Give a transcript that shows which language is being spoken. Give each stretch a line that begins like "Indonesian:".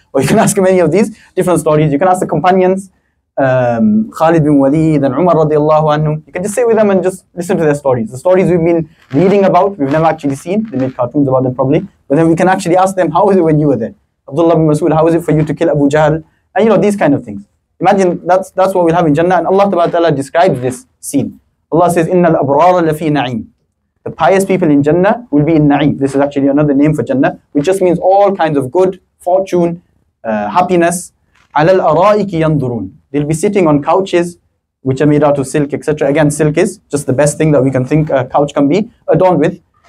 English: Or you can ask him any of these different stories. You can ask the companions, Khalid bin Walid and Umar radiallahu anhu. You can just sit with them and just listen to their stories. The stories we've been reading about, we've never actually seen. They made cartoons about them probably. But then we can actually ask them, how was it when you were there? Abdullah bin Mas'ud, how was it for you to kill Abu Jahl? And you know, these kind of things. Imagine that's what we'll have in Jannah. And Allah Ta'ala describes this scene. Allah says,
Arabic: إِنَّ الْأَبْرَارَ لَفِي نَعِيمٍ.
English: The pious people in Jannah will be in Na'im. This is actually another name for Jannah, which just means all kinds of good, fortune, happiness.
Arabic: عَلَى الْأَرَائِكِ يَنْظُرُونَ.
English: They'll be sitting on couches, which are made out of silk, etc. Again, silk is just the best thing that we can think a couch can be adorned with.